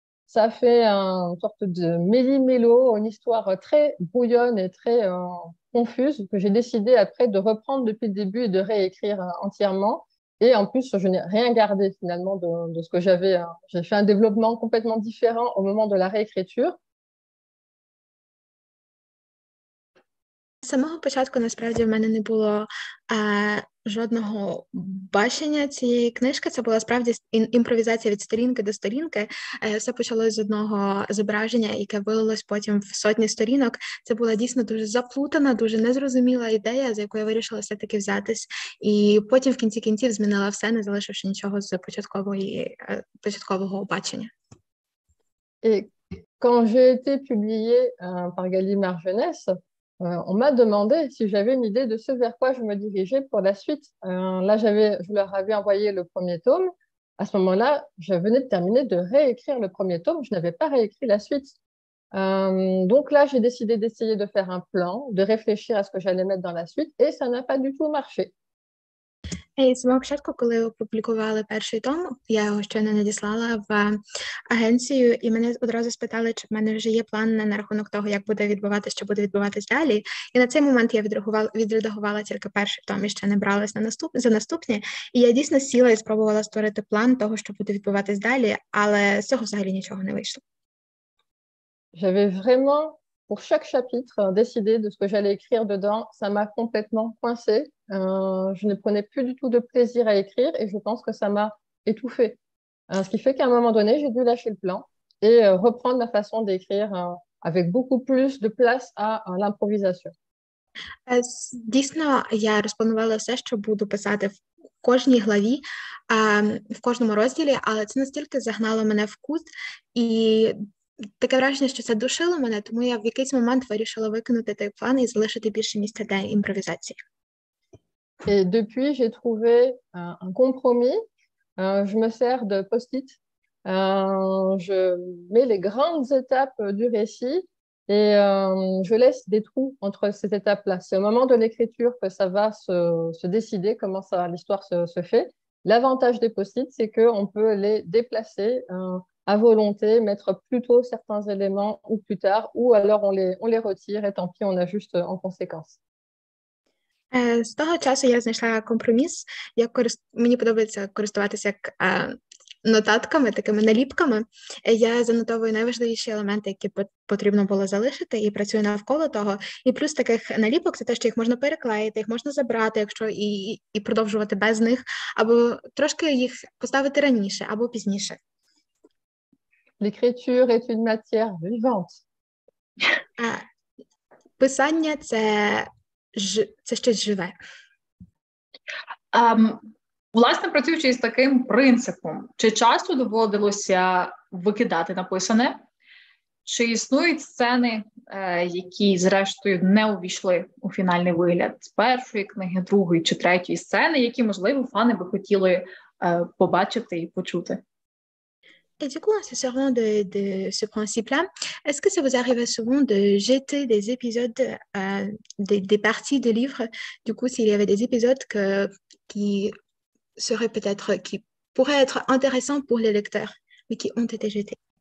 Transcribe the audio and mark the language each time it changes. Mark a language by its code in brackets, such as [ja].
[fr] Ça fait une sorte de méli-mélo, une histoire très brouillonne et très confuse que j'ai décidé après de reprendre depuis le début et de réécrire entièrement. Et en plus, je n'ai rien gardé finalement de ce que j'avais. J'ai fait un développement complètement différent au moment de la réécriture. [uk] З самого початку, насправді, в мене не було жодного бачення цієї книжки. Це була справді імпровізація від сторінки до сторінки. Все почалося з одного зображення, яке вилилось потім в сотні сторінок. Це була дійсно дуже заплутана, дуже незрозуміла ідея, за яку я вирішила все-таки взятись. І потім в кінці кінців змінила все, не залишивши нічого з початкового бачення. І коли я була опублікована [fr] Gallimard Jeunesse, on m'a demandé si j'avais une idée de ce vers quoi je me dirigeais pour la suite. Là, je leur avais envoyé le premier tome. À ce moment-là, je venais de terminer de réécrire le premier tome. Je n'avais pas réécrit la suite. Donc là, j'ai décidé d'essayer de faire un plan, de réfléchir à ce que j'allais mettre dans la suite. Et ça n'a pas du tout marché. [uk] І з самого початку, коли опублікували перший том, я його щойно надіслала в агенцію, і мене одразу спитали, чи в мене вже є план на рахунок того, як буде відбуватися, що буде відбуватись далі. І на цей момент я відредагувала тільки перший том і ще не бралась за наступні. І я дійсно сіла і спробувала створити план того, що буде відбуватись далі, але з цього взагалі нічого не вийшло. [fr] J'avais vraiment pour chaque chapitre décidé de ce que j'allais écrire dedans, ça m'a complètement coincé. Je ne prenais plus du tout de plaisir à écrire et je pense que ça m'a étouffée. Ce qui fait qu'à un moment donné, j'ai dû lâcher le plan et reprendre ma façon d'écrire avec beaucoup plus de place à l'improvisation. [uk] Дійсно, я розпланувала все, що буду писати в кожній главі, в кожному розділі, але це настільки загнало мене в кут і таке враження, що це душило мене, тому я в якийсь момент вирішила викинути той план і залишити більше місця для імпровізації. [fr] Et depuis, j'ai trouvé un compromis. Je me sers de post-it. Je mets les grandes étapes du récit et je laisse des trous entre ces étapes-là. C'est au moment de l'écriture que ça va se décider, comment ça, l'histoire se fait. L'avantage des post-it, c'est qu'on peut les déplacer à volonté, mettre plus tôt certains éléments ou plus tard, ou alors on les retire et tant pis, on ajuste en conséquence. [uk] З того часу я знайшла компроміс. Мені подобається користуватися як нотатками, такими наліпками. Я занотовую найважливіші елементи, які потрібно було залишити, і працюю навколо того. І плюс таких наліпок – це те, що їх можна переклеїти, їх можна забрати, якщо і продовжувати без них, або трошки їх поставити раніше, або пізніше. [fr] L'écriture est une matière vivante. [uk] Писання – це щось живе. Власне, працюючи з таким принципом, чи часто доводилося викидати написане? Чи існують сцени, які, зрештою, не увійшли у фінальний вигляд з першої книги, другої чи третьої сцени, які, можливо, фани би хотіли побачити і почути? [fr] Et du coup, en se servant de ce principe-là, est-ce que ça vous arrive souvent de jeter des épisodes, des parties de livres? Du coup, s'il y avait des épisodes qui seraient peut-être, qui pourraient être intéressants pour les lecteurs, mais qui ont été jetés?